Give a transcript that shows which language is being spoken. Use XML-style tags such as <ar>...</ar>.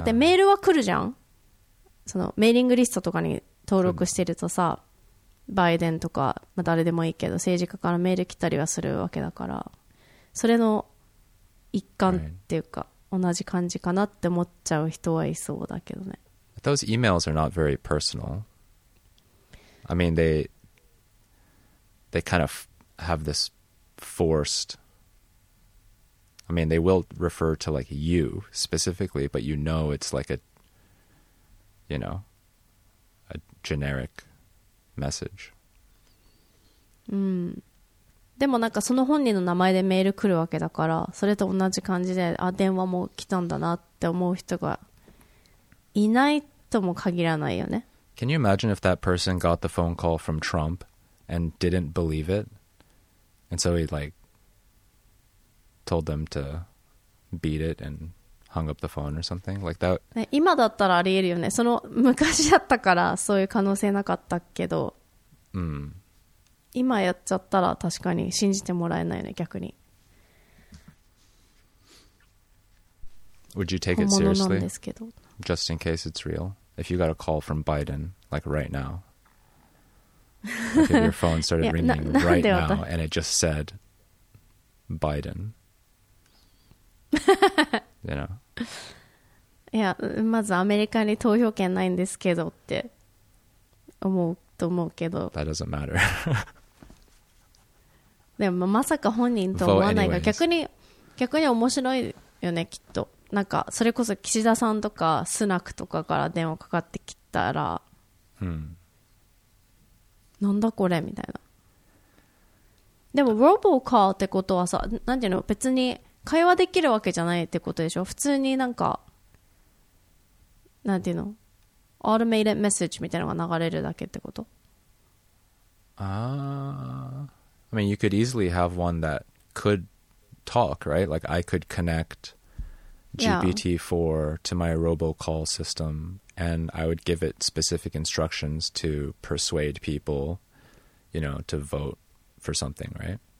<ja>だってメールは来るじゃん、そのメーリングリストとかに登録してるとさ、うん、バイデンとか、まあ、誰でもいいけど政治家からメール来たりはするわけだから、それの一環っていうか、</ja> <en>right.</en> <ja>同じ感じかなって思っちゃう人はいそうだけどね。</ja> <en>Those emails are not very personal. I mean they kind of have this forced, I mean they will refer to like you specifically, but you know it's like a, you know, a generic message.</en> <ja>うん。でもなんかその本人の名前でメール来るわけだから、それと同じ感じで、あ、電話も来たんだなって思う人がいないとも限らないよね。</ja> <en>Can you imagine if that person got the phone call from Trump and didn't believe it, and so he like told them to beat it and hung up the phone or something like that?</en> <ja>今だったらありえるよね。その昔だったからそういう可能性なかったけど、うん、今やっちゃったら確かに信じてもらえないね、逆に。</ja> <en>Would you take it seriously?</en> <ja>本物なんですけど。</ja> <en>Just in case it's real. If you got a call from Biden, like right now. Like if your phone started ringing right now and it just said Biden. You know?</en> <ja>いや、まずアメリカに投票権ないんですけどって思うと思うけど。</ja> <en>That doesn't matter.</en> <ja>でもまさか本人とは思わないが、逆に面白いよね、きっと。なんかそれこそ岸田さんとかスナクとかから電話かかってきたら、うん、なんだこれみたいな。でもロボカーってことはさ、なんていうの、別に会話できるわけじゃないってことでしょ。普通になんか、なんていうの、オートメイテッドメッセージみたいなのが流れるだけってこと。ああ。</ja> <en>I mean, you could easily have one that could talk, right? Like, I could connect GPT-4 to my robocall system, and I would give it specific instructions to persuade people, you know, to vote for something, right?</en>